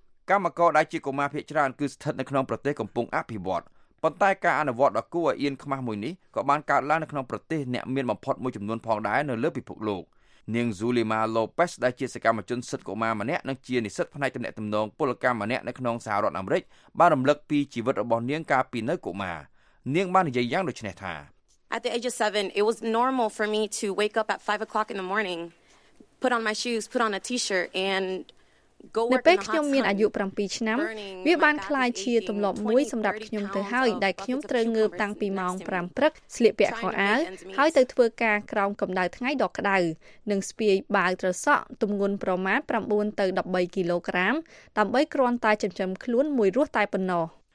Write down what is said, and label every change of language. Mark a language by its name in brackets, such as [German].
[Khmer] កម្មករដែលជាកុមារភាគច្រើនគឺស្ថិតនៅក្នុងប្រទេសកំពុងអភិវឌ្ឍប៉ុន្តែការអនុវត្តដ៏គួរឲ្យអៀនខ្មាស់មួយនេះក៏បានកើតឡើងនៅក្នុងប្រទេសអ្នកមានបំផុតមួយចំនួនផងដែរនៅលើពិភពលោកនាងស៊ូលីម៉ាឡូពេសដែលជាសកម្មជនសិទ្ធិកុមារម្នាក់និងជានិស្សិតផ្នែកទំនាក់ទំនងពលកម្មម្នាក់នៅក្នុងសហរដ្ឋអាមេរិកបានរំលឹកពីជីវិតរបស់នាងកាលពីនៅកុមារនាងបាននិយាយយ៉ាងដូចនេះថា [English] At the age of 7 it was normal for me to wake up at 5 o'clock in the morning put on my shoes put on a t-shirt and [Khmer] នៅពេលខ្ញុំមានអាយុ7ឆ្នាំវាបានក្លាយជាទម្លាប់មួយសម្រាប់ខ្ញុំទៅហើយដែលខ្ញុំត្រូវងើបតាំងពីម៉ោង5ព្រឹកស្លៀកពាក់ខោអាវហើយទៅធ្វើការក្រោមកម្ដៅថ្ងៃដ៏ក្ដៅនិងស្ពាយបាវត្រសក់ទម្ងន់ប្រមាណ9ទៅ13គីឡូក្រាមដើម្បីគ្រាន់តែចិញ្ចឹមខ្លួនមួយរស់តែប៉ុណ្ណោះ